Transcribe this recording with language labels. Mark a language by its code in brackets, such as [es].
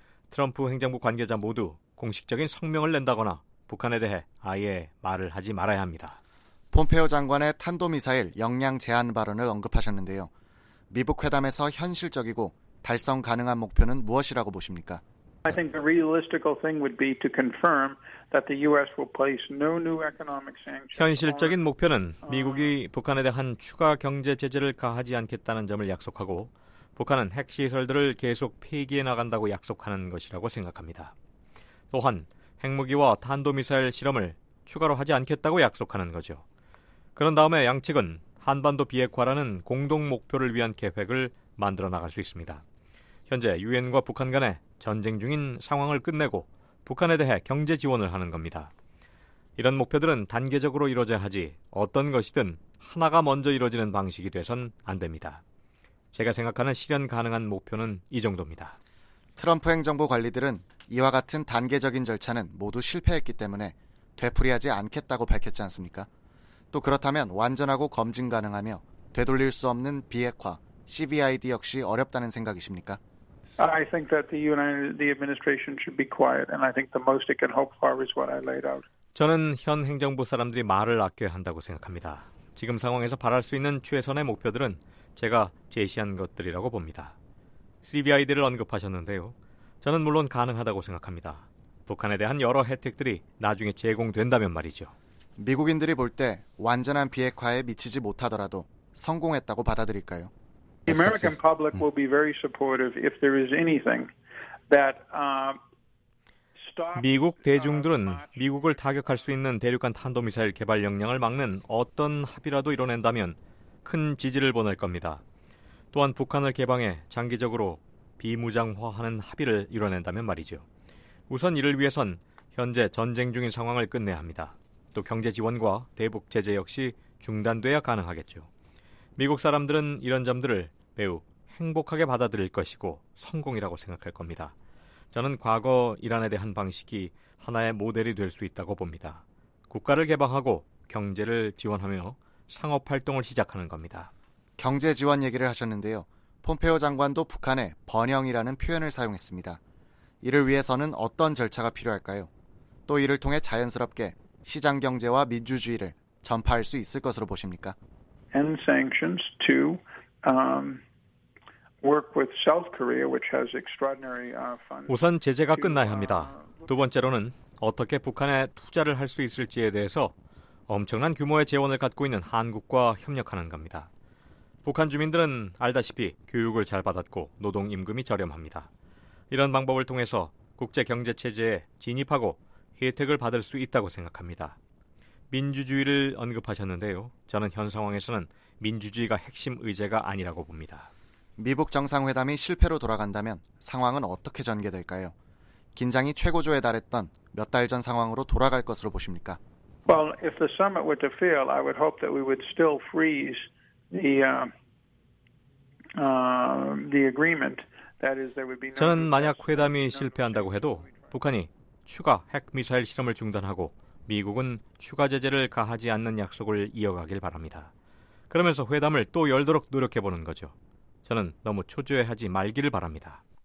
[ko] 트럼프 행정부 관계자 모두 공식적인 성명을 낸다거나 북한에 대해 아예 말을 하지 말아야 합니다. 폼페오 장관의 탄도미사일 역량 제한 발언을 언급하셨는데요. 미북 회담에서 현실적이고 달성 가능한 목표는 무엇이라고 보십니까? [en] I think the realistic thing would be to confirm that the US will place no new economic sanctions. [ko] 현실적인 목표는 미국이 북한에 대한 추가 경제 제재를 가하지 않겠다는 점을 약속하고 북한은 핵 시설들을 계속 폐기해 나간다고 약속하는 것이라고 생각합니다. 또한 핵무기와 탄도미사일 실험을 추가로 하지 않겠다고 약속하는 거죠. 그런 다음에 양측은 한반도 비핵화라는 공동 목표를 위한 계획을 만들어 나갈 수 있습니다. 현재 유엔과 북한 간의 전쟁 중인 상황을 끝내고 북한에 대해 경제 지원을 하는 겁니다. 이런 목표들은 단계적으로 이루어져야 하지 어떤 것이든 하나가 먼저 이루어지는 방식이 돼선 안 됩니다. 제가 생각하는 실현 가능한 목표는 이 정도입니다. 트럼프 행정부 관리들은 이와 같은 단계적인 절차는 모두 실패했기 때문에 되풀이하지 않겠다고 밝혔지 않습니까? 또 그렇다면 완전하고 검증 가능하며 되돌릴 수 없는 비핵화, CBID 역시 어렵다는 생각이십니까? [en] I think that the administration should be quiet, and I think the most it can hope for is what I laid out. [ko] 저는 현 행정부 사람들이 말을 아껴야 한다고 생각합니다. 지금 상황에서 바랄 수 있는 최선의 목표들은 제가 제시한 것들이라고 봅니다. CBID를 언급하셨는데요. 저는 물론 가능하다고 생각합니다. 북한에 대한 여러 혜택들이 나중에 제공된다면 말이죠. 미국인들이 볼 때 완전한 비핵화에 미치지 못하더라도 성공했다고 받아들일까요? [en] The American public will be very supportive if there is anything that stops [ko] 미국 대중들은 미국을 타격할 수 있는 대륙간 탄도미사일 개발 역량을 막는 어떤 합의라도 이뤄낸다면 큰 지지를 보낼 겁니다. 또한 북한을 개방해 장기적으로 비무장화하는 합의를 이뤄낸다면 말이죠. 우선 이를 위해선 현재 전쟁 중인 상황을 끝내야 합니다. 또 경제 지원과 대북 제재 역시 중단돼야 가능하겠죠. 미국 사람들은 이런 점들을 매우 행복하게 받아들일 것이고 성공이라고 생각할 겁니다. 저는 과거 이란에 대한 방식이 하나의 모델이 될 수 있다고 봅니다. 국가를 개방하고 경제를 지원하며 상업활동을 시작하는 겁니다. 경제 지원 얘기를 하셨는데요. 폼페오 장관도 북한에 번영이라는 표현을 사용했습니다. 이를 위해서는 어떤 절차가 필요할까요? 또 이를 통해 자연스럽게 시장 경제와 민주주의를 전파할 수 있을 것으로 보십니까? [en] And sanctions to work with South Korea, which has extraordinary funds. [ko] 우선 제재가 끝나야 합니다. 두 번째로는 어떻게 북한에 투자를 할 수 있을지에 대해서 엄청난 규모의 재원을 갖고 있는 한국과 협력하는 겁니다. 북한 주민들은 알다시피 교육을 잘 받았고 노동 임금이 저렴합니다. 이런 방법을 통해서 국제 경제 체제에 진입하고 혜택을 받을 수 있다고 생각합니다. 민주주의를 언급하셨는데요. 저는 현 상황에서는 민주주의가 핵심 의제가 아니라고 봅니다. 미북 정상회담이 실패로 돌아간다면 상황은 어떻게 전개될까요? 긴장이 최고조에 달했던 몇 달 전 상황으로 돌아갈 것으로 보십니까? [en] Well, if the summit were to fail, I would hope that we would still freeze the agreement. That is, there would be no. [ko] 저는 만약 회담이 실패한다고 해도 북한이 추가 핵 미사일 실험을 중단하고 미국은 추가 제재를 가하지 않는 약속을 이어가길 바랍니다. 그러면서 회담을 또 열도록 노력해 보는 거죠. 저는 너무 초조해하지 말기를 바랍니다.